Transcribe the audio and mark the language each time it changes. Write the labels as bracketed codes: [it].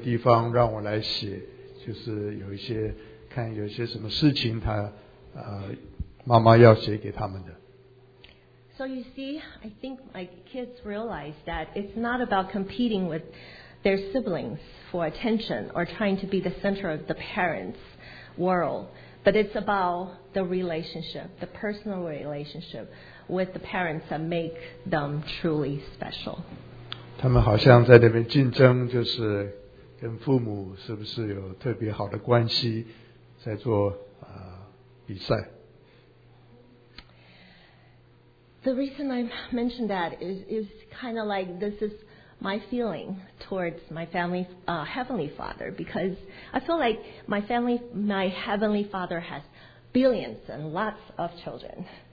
[zh] 而且空下很多的地方让我来写, 就是有一些, 看有些什么事情, 他, 妈妈要写给他们的。 [en] So you see, I think my kids realize that it's not about competing with their siblings for attention or trying to be the center of the parents' world, but it's about the relationship, the personal relationship with the parents that make them truly special. [zh] 他们好像在那边竞争，就是跟父母是不是有特别好的关系，在做比赛。 [en] The reason I mentioned that is kind of like this is my feeling towards my family, Heavenly Father, because I feel like my family, my Heavenly Father has billions and lots of children.